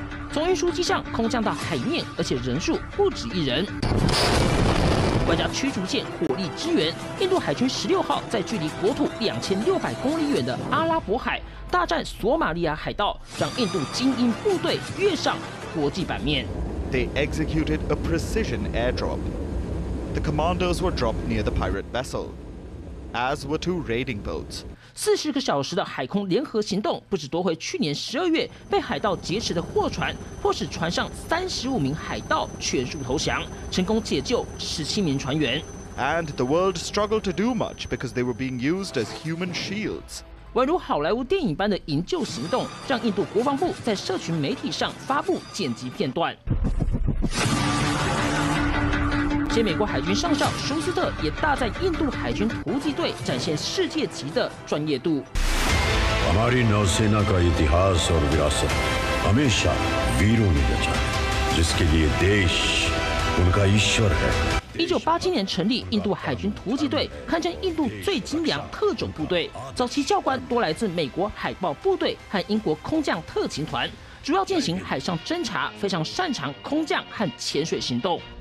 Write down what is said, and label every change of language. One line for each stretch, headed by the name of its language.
Chinese: 从运输机上空降到海面，而且人数不止一人。外加驱逐舰火力支援，印度海军16号在距离国土2600公里远的阿拉伯海大战索马利亚海盗，让印度精英部队跃上国际版面。
English: They executed a precision airdrop. The commandos were dropped near the pirate vessel, as were two raiding boats.
Chinese: 40个小时的海空联合行动，不止夺回去年12月被海盗劫持的货船，迫使船上35名海盗全数投降，成功解救17名船员。
English: And the world struggled to do much because they were being used as human shields.
Chinese: 宛如好莱坞电影般的营救行动，让印度国防部在社群媒体上发布剪辑片段。前美国海军上校舒斯特也大赞印度海军突击队展现世界级的专业度。あまりの背中にリハーサルがさ、アメシャビロニだじゃ、ジスケリーデイシ、俺が一緒だ。 1987年成立印度海军突击队，堪称印度最精良特种部队。早期教官多来自美国海豹部队和英国空降特勤团，主要进行海上侦察，非常擅长空降和潜水行动。